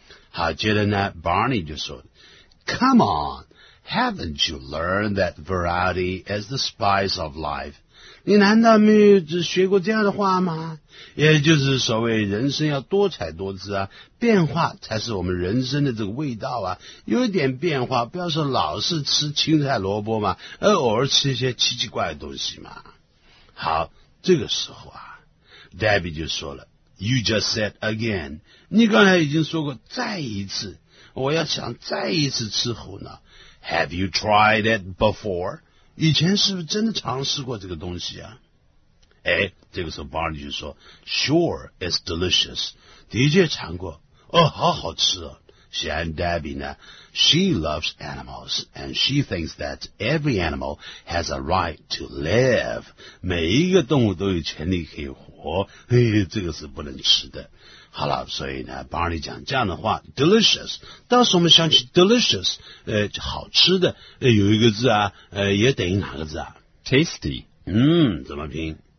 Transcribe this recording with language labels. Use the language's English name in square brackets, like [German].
[Chinese] 好，接着呢 [English] ，Barney [Chinese] 就说 [English] ，Come on, haven't you learned that variety is the spice of life? [Chinese] 你难道没有学过这样的话吗？也就是所谓人生要多彩多姿啊，变化才是我们人生的这个味道啊。有一点变化，不要说老是吃青菜萝卜嘛，而偶尔吃一些奇奇怪的东西嘛。好。这个时候啊 ，Debbie 就说了 ， [English] You just said again， [Chinese] 你刚才已经说过再一次，我要想再一次吃胡脑。 [English] Have you tried it before？ [Chinese] 以前是不是真的尝试过这个东西啊？哎，这个时候 Barney 就说 ， [English] Sure， it's delicious， [Chinese] 的确尝过，哦，好好吃哦。 [English] Sean Debbie 呢 ，She loves animals and she thinks that every animal has a right to live。 [Chinese] 每一个动物都有权利可以活，嘿，这个是不能吃的。好了，所以呢 ，Barney 讲这样的话 ，delicious。当时我们想起 delicious， 好吃的，有一个字啊，也等于哪个字啊 [English] ？Tasty。 [Chinese] 嗯，怎么拼